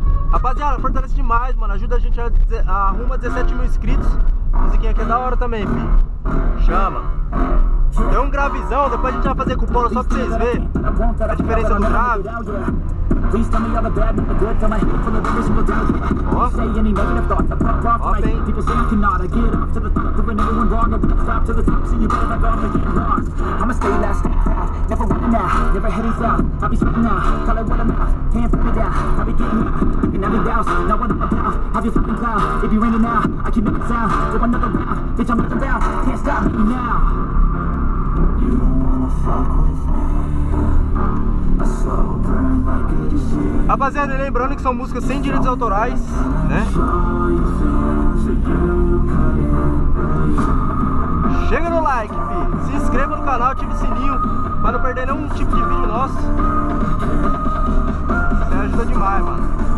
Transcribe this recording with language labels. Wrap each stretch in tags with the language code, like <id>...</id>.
<pt>Rapaziada, fortalece demais, mano. Ajuda a gente a arrumar 17 mil inscritos. Musiquinha aqui é da hora também, filho. Chama. Tem um gravizão, depois a gente vai fazer com o polo só pra vocês verem a diferença do grave.</pt> <en>Please tell me all the bad, not the good. Tell my head full of every single doubt. Say any negative thoughts, I pop off my head. People say I cannot, I get up to the top. Doing everyone wrong, I won't stop to the top. See you better not go, I'm gonna get lost. I'ma stay last, stay fast, never running out. Never heading south, I'll be sweating out. Call it what I'm out, can't put me down. I'll be getting out, you can never douse. Know what I'm about, have your fucking cloud. It be raining now, I keep making sound. Do another round, bitch I'm looking down. Can't stop me now. You don't wanna fuck with me.</en> <pt>Rapaziada, lembrando que são músicas sem direitos autorais, né? Chega no like, fi. Se inscreva no canal, ative o sininho para não perder nenhum tipo de vídeo nosso. Isso aí ajuda demais, mano.</pt>